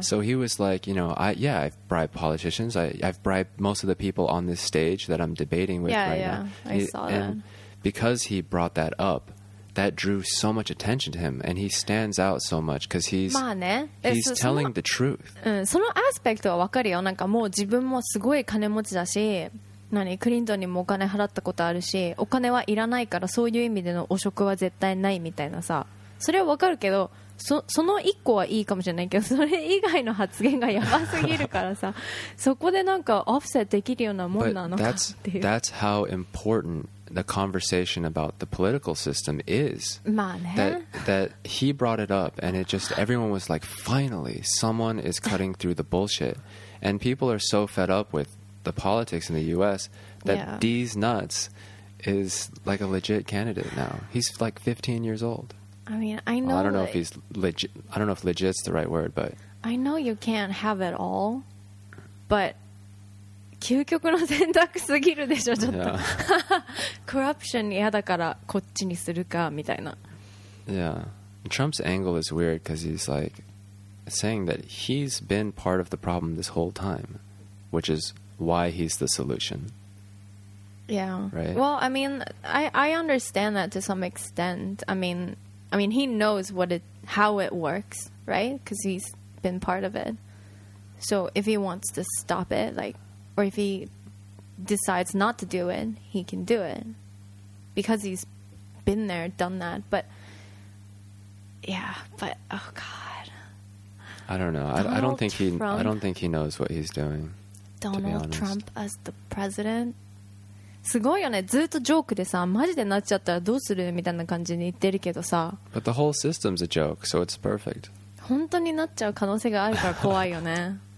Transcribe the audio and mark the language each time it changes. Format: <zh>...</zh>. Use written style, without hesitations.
<en>So he was like, you know, I've bribed politicians. I've bribed most of the people on this stage that I'm debating with now. Yeah, yeah. I saw that. And because he brought that up, that drew so much attention to him, and he stands out so much because he's telling the truth.</en> <ja>そのアスペクトはわかるよ。なんかもう自分もすごい金持ちだし、何クリントンにもお金払ったことあるし、お金はいらないからそういう意味での汚職は絶対ないみたいなさ、それはわかるけど、その一個はいいかもしれないけど、それ以外の発言がやばすぎるからさ、そこでなんかオフセットできるようなもんなのかっていう。</ja> <en>That's how important the conversation about the political system is that he brought it up, and it just everyone was like, finally someone is cutting through the bullshit, and people are so fed up with the politics in the US that D's Nuts is like a legit candidate now. He's like 15 years old. I mean, I know, well, I don't know if he's legit. I don't know if legit's the right word, but I know you can't have it all, but</en> <ja>究極の選択すぎるでしょちょっと、</ja> <en>yeah. コラプション嫌だからこっちにするかみたいな。 Yeah, Trump's angle is weird because he's like saying that he's been part of the problem this whole time, which is why he's the solution. Yeah. Right. Well, I mean, I understand that to some extent. I mean, he knows how it works, right? Because he's been part of it. So if he wants to stop it, like, or if he decides not to do it, he can do it because he's been there, done that. But yeah, but oh God, I don't know. I don't think he knows what he's doing. Donald Trump as the president.</en> <ja>すごいよね。ずっとジョークでさ、マジでなっちゃったらどうするみたいな感じに言ってるけどさ。</ja> <en>But the whole system's a joke, so it's perfect.</en> <ja>本当になっちゃう可能性があるから怖いよね。</ja>